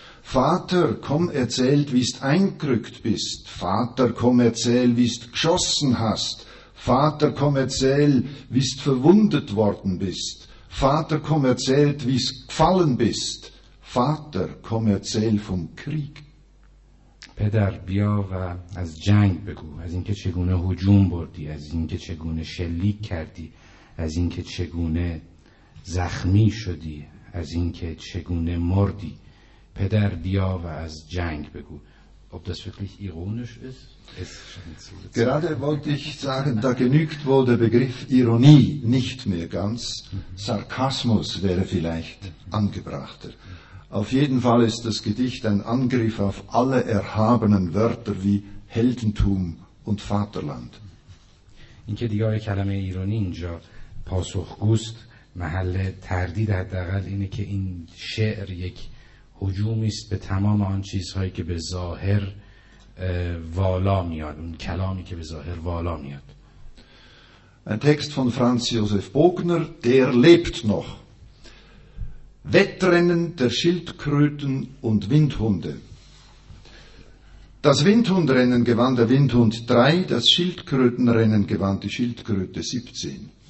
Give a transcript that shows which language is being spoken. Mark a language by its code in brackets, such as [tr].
[de] Vater, komm, erzähl, wie's eingerückt bist. Vater, komm, erzähl, wie's geschossen hast. Vater, komm, erzähl, wie's verwundet worden bist. Vater, komm, erzähl, wie's gefallen bist. Vater, komm, erzähl vom Krieg. [fa] پدر بیا و از جنگ بگو، از اینکه چگونه هجوم بردی، از اینکه چگونه شلیک کردی، از اینکه چگونه زخمی شدی، از اینکه چگونه مردی. پدر بیا و از جنگ بگو. [de] Ob das wirklich ironisch ist? Gerade wollte ich sagen, da genügt wohl der Begriff Ironie nicht mehr ganz. Sarkasmus wäre vielleicht angebrachter. Auf jeden Fall ist das Gedicht ein Angriff auf alle erhabenen Wörter wie Heldentum und Vaterland. [fa] اینکه دیگه کلمه ایرانی اینجا پاسخگوست محل تردید حداقل اینه که این شعر یک هجومی است به تمام آن چیزهایی که به ظاهر والا میاد، اون کلامی که به ظاهر والا میاد. [de] Ein Text von Franz Josef Bogner, der lebt noch. Wettrennen der Schildkröten und Windhunde. Das Windhundrennen gewann der Windhund 3, das Schildkrötenrennen gewann die Schildkröte 17.